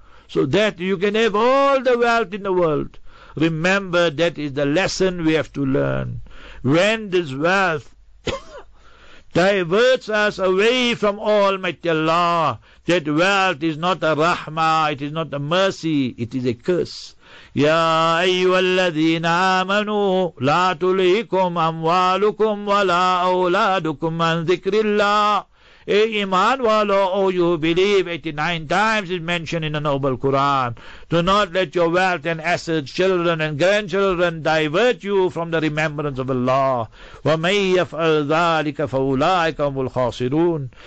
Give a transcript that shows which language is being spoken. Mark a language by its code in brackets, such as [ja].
[en] So that you can have all the wealth in the world. Remember, that is the lesson we have to learn. When this wealth diverts us away from Almighty Allah, that wealth is not a rahmah, it is not a mercy, it is a curse. [ar] يا أيها الذين آمنوا لا تلهكم أموالكم ولا أولادكم عن ذكر الله. [en] A iman walo, oh you believe, 89 times is mentioned in the Noble Quran. Do not let your wealth and assets, children and grandchildren, divert you from the remembrance of Allah. [ar] وَمَنْ يَفْعَلْ ذَٰلِكَ فَأُولَٰئِكَ هُمُ الْخَاسِرُونَ.